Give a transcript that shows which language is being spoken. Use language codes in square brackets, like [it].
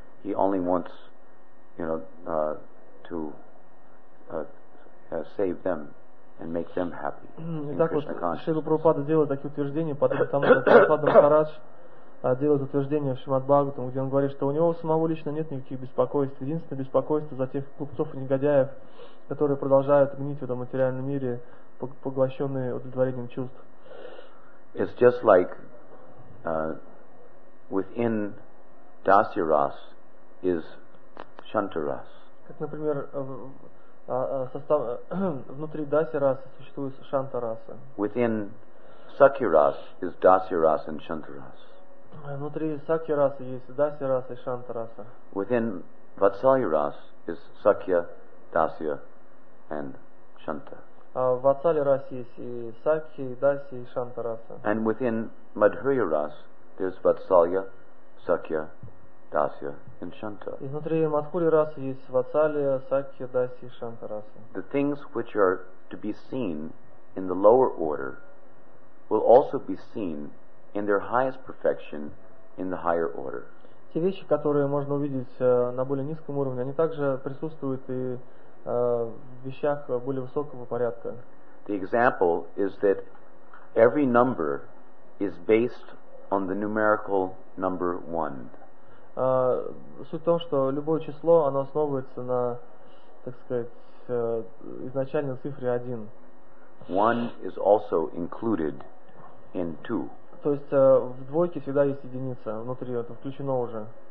[en] He only wants, you know, to save them and make them happy. [ru] Итак, вот Шрила Прабхупада делает такие утверждения, потом там Прабхупада Махарадж делает утверждение в Шримад Бхагаватам, где он говорит, что у него самого лично нет никаких беспокойств. Единственное беспокойство за тех глупцов и негодяев, которые продолжают гнить в этом материальном мире, поглощенные удовлетворением чувств. [en] It's just like within Dasya Ras is Shanta Ras. [ru] Как, например, внутри Даси расы существует Шанта раса. [en] Within Сакхи рас is Даси рас and Шанта рас. [ru] Внутри Сакхи расы есть Даси раса и Шанта раса. [en] Within Ватсалья рас is Сакья, Дасья and Шанта. [ru] В Ватсалья расе есть и Сакхи, и Даси, и Шанта раса. [en] And within Мадхурья рас there's Ватсалья, Сакья, Dasya and Shanta. [ru] И внутри Мадхурья расы есть Ватсалья, Сакья, Даси и Шанта расы. [en] The things which are to be seen in the lower order will also be seen in their highest perfection in the higher order. [ru] Те вещи, которые можно увидеть на более низком уровне, они также присутствуют и в вещах более высокого порядка. [en] The example is that every number is based on the numerical number one. [ru] Суть в том, что любое число, оно основывается на, так сказать, изначально цифре один. [en] One is also included in two. [ru] То есть в двойке всегда есть единица внутри, это включено уже.